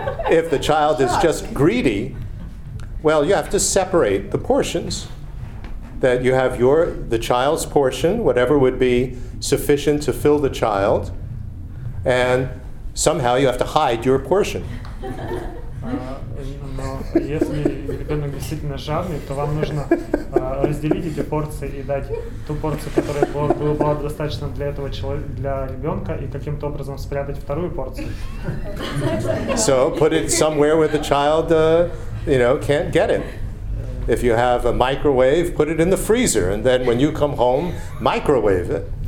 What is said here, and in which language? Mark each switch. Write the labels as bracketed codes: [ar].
[en] If the child is just greedy, well, you have to separate the portions. That you have the child's portion, whatever would be sufficient to fill the child, and somehow you have to hide your portion. [ru] Но если ребенок действительно жадный, то вам нужно разделить эти порции и дать ту порцию, которая была достаточно для этого человека, для ребенка, и каким-то образом спрятать вторую порцию. [en] So put it somewhere where the child can't get it. If you have a microwave, put it in the freezer, and then when you come home, microwave it.